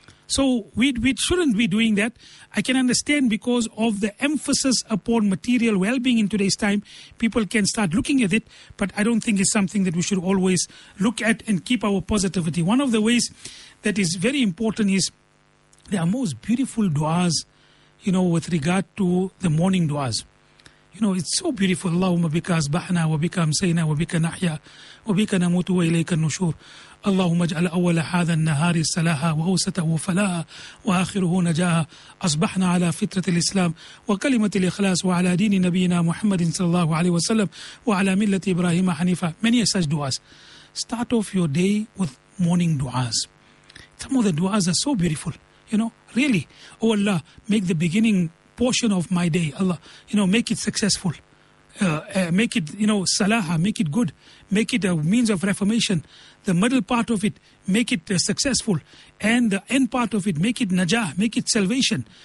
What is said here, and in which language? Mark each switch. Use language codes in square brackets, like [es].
[en] So we shouldn't be doing that. I can understand, because of the emphasis upon material well-being in today's time, people can start looking at it, but I don't think it's something that we should always look at and keep our positivity. One of the ways that is very important is there are most beautiful du'as, you know, with regard to the morning du'as. You know, it's so beautiful. [ar] Allahumma bika asbahna wa bika amsayna wa bika nahya wa bika namutu wa ilayka nushur. اللهم اجعل أول هذا النهار صلاحا وأوسطه فلاحا وآخره نجاحا أصبحنا على فطرة الإسلام وكلمة الإخلاص وعلى دين نبينا محمد صلى الله عليه وسلم وعلى ملة إبراهيم حنيفة. [en] Many such du'as. Start off your day with morning du'as. Some of the du'as are so beautiful. You know, really. Oh Allah, make the beginning portion of my day, Allah, you know, make it successful. Make it, you know, salaha, make it good. Make it a means of reformation. The middle part of it, make it successful. And the end part of it, make it najah, make it salvation.